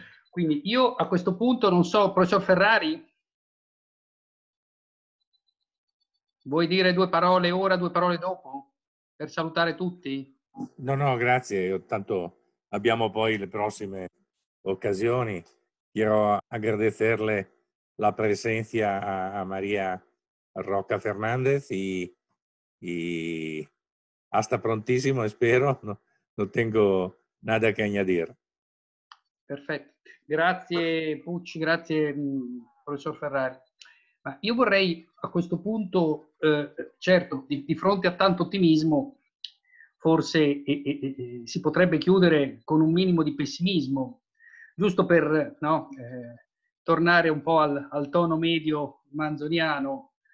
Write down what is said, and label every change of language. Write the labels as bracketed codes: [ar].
[it] Quindi io a questo punto non so, professor Ferrari, vuoi dire due parole ora, due parole dopo, per salutare tutti? No, grazie. Io tanto abbiamo poi le prossime occasioni. [es] Quiero agradecerle la presencia a María Roca Fernández y hasta prontísimo, espero. No tengo nada que añadir. Perfecto. [it] Grazie Pucci, grazie professor Ferrari. Ma io vorrei a questo punto, certo, di fronte a tanto ottimismo, forse si potrebbe chiudere con un minimo di pessimismo, giusto per tornare un po' al tono medio manzoniano.